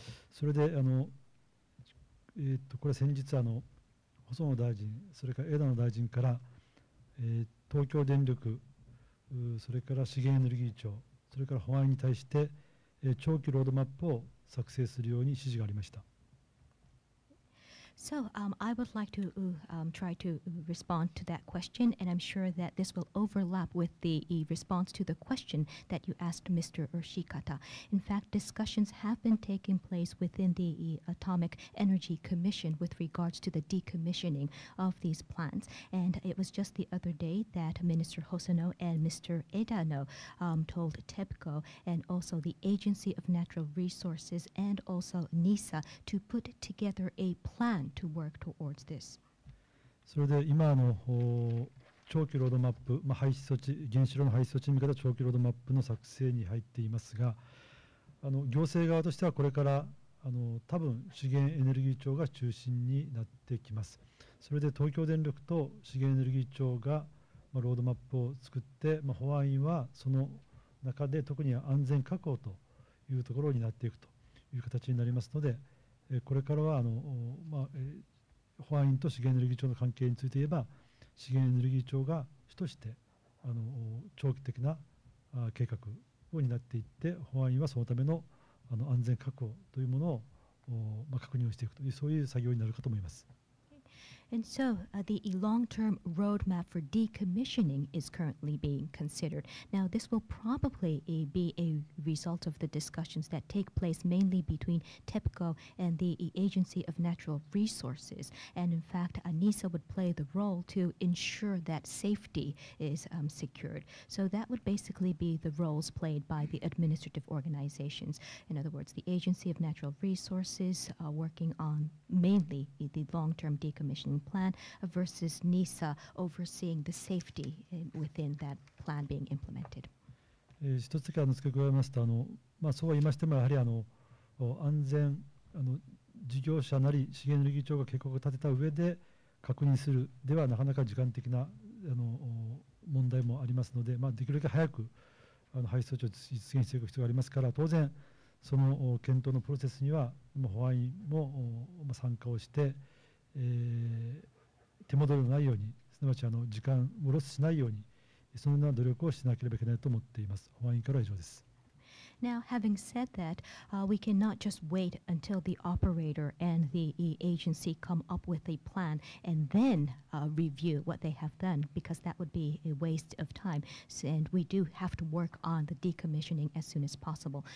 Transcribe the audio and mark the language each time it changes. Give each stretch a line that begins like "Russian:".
Japanese: それでこれ先日細野大臣それから枝野大臣から、東京電力それから資源エネルギー庁それから保安に対して、長期ロードマップを作成するように指示がありました。
English: So, I would like to try to respond to that question, and I'm sure that this will overlap with the response to the question that you asked Mr. Shikata. In fact, discussions have been taking place within the Atomic Energy Commission with regards to the decommissioning of these plants, and it was just the other day that Minister Hosono and Mr. Edano told TEPCO and also the Agency of Natural Resources and also NISA to put together a plan to work towards this.
Japanese: それで今長期ロードマップ、まあ、廃止措置、原子炉の廃止措置に向けた長期ロードマップの作成に入っていますが、行政側としてはこれから多分資源エネルギー庁が中心になってきます。それで東京電力と資源エネルギー庁が、まあ、ロードマップを作って、まあ、保安院はその中で特に安全確保というところになっていくという形になりますので、これからは保安院と資源エネルギー庁の関係について言えば資源エネルギー庁が主として長期的な計画を担っていって、保安院はそのための安全確保というものを確認をしていくという、そういう作業になるかと思います。
English: And so, the long-term roadmap for decommissioning is currently being considered. Now, this will probably be a result of the discussions that take place mainly between TEPCO and the Agency of Natural Resources. And in fact, NISA would play the role to ensure that safety is secured. So that would basically be the roles played by the administrative organizations. In other words, the Agency of Natural Resources working on mainly the long-term decommissioning plan versus NISA overseeing the safety within that plan being implemented.
Japanese: 一つだけ付け加えますと、まあ、そうは言いましてもやはり安全事業者なり資源エネルギー庁が計画を立てた上で確認するではなかなか時間的な問題もありますので、まあ、できるだけ早く配送地を実現していく必要がありますから、当然その検討のプロセスには保安院も参加をして、手戻りのないように、すなわち時間をロスしないように、そのような努力をしなければいけないと思っています。保安院からは以上です。
English: Now, having said that, we cannot just wait until the operator and the agency come up with a plan and then review what they have done, because that would be a waste of time. So, and we do have to work on the decommissioning as soon as possible.